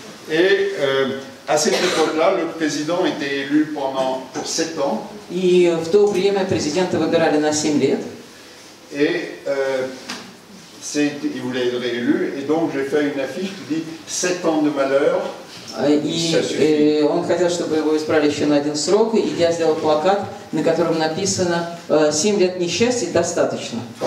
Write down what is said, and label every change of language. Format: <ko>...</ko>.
<fr>Et à cette époque-là, le président était élu pour 7 ans.</fr> <ru>И в то время президента выбирали на 7 лет.</ru> <fr>Et il voulait être réélu, et donc j'ai fait une affiche qui dit 7 ans de malheur.</fr> <ru>Он хотел, чтобы его избрали еще на один срок, и я сделал плакат, на котором написано «7 лет несчастья достаточно».</ru>